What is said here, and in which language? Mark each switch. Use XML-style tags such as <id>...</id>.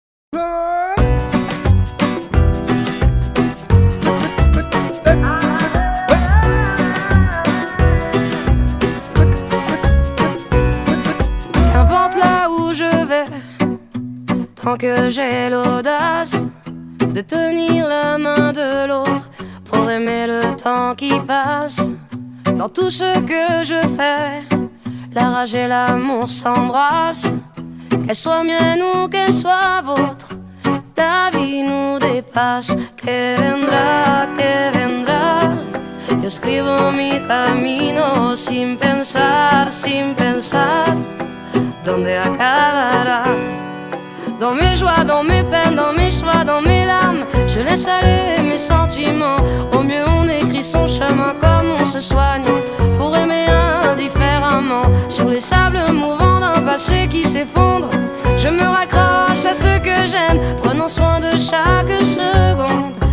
<fr>Qu'importe là où je vais, tant que j'ai l'audace de tenir la main de l'autre pour aimer le temps qui passe. Dans tout ce que je fais, la rage et l'amour s'embrassent. Qu'elle soit mienne ou qu'elle soit vôtre, la vie nous dépasse.</fr> <es>Que vendrá, que vendrá. Yo escribo mi camino sin pensar, sin pensar. ¿Dónde acabará?</es> <fr>Dans mes joies, dans mes peines, dans mes choix, dans mes larmes, je laisse aller mes sentiments. Au mieux on écrit son chemin comme on se soigne, pour aimer indifféremment. Sur les sables mouvants d'un passé qui s'effondre, je me raccroche à ce que j'aime, prenant soin de chaque seconde.</fr>